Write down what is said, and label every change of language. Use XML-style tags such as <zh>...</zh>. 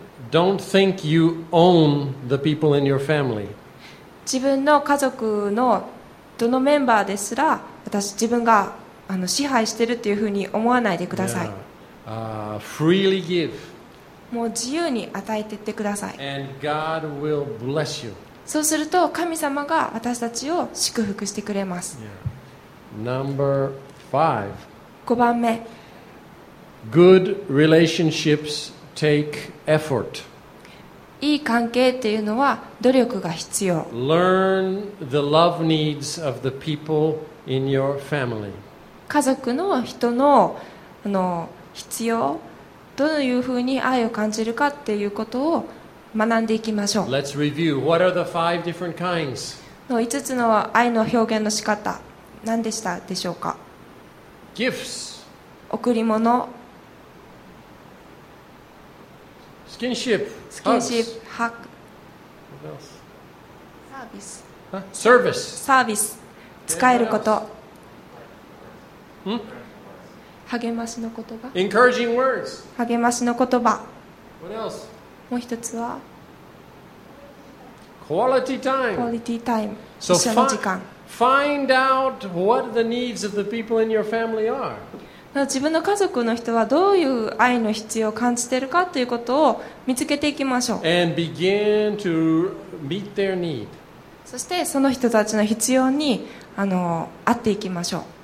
<en>Don't think you own the people in your family.</en> <ja>自分の家族のどのメンバーですら私自分があの支配してるっていうふうに思わないでください。</ja> <en>Freely give.</en> <ja>もう自由に与えていってください。</ja> <en>And God will bless you.</en> <ja>そうすると神様が私たちを祝福してくれます。</ja> <en>Number five.</en> <ja>5番目。</ja> <en>Good relationships. Take effort.</en> <ja>いい関係っていうのは努力が必要。</ja> <en>Learn the love needs of the people in your family.</en> <ja>家族の人の、あの、必要、どういうふうに愛を感じるかっていうことを学んでいきましょう。</ja> <en>Let's review. What are the five different kinds?</en> <ja>の5つの愛の表現の仕方、何でしたでしょうか?</ja> <en>Gifts.</en> <ja>贈り物。</ja> <en>Skinship, skinship, hug. What else? Service. Huh? Service. Service.</en> <ja>使えること。うん。励ましの言葉。</ja> <en>Encouraging words.</en> <ja>励ましの言葉。</ja> <en>What else?</en> <ja>もう一つは。</ja> <en>Quality time. Quality time.</en> <ja>一緒の時間。</ja> <en>Find out what the needs of the people in your family are.</en> <ja>自分の家族の人はどういう愛の必要を感じているかということを見つけていきましょう。</ja> <en>And begin to meet their need.</en> <ja>そしてその人たちの必要にあの会っていきましょう。</ja>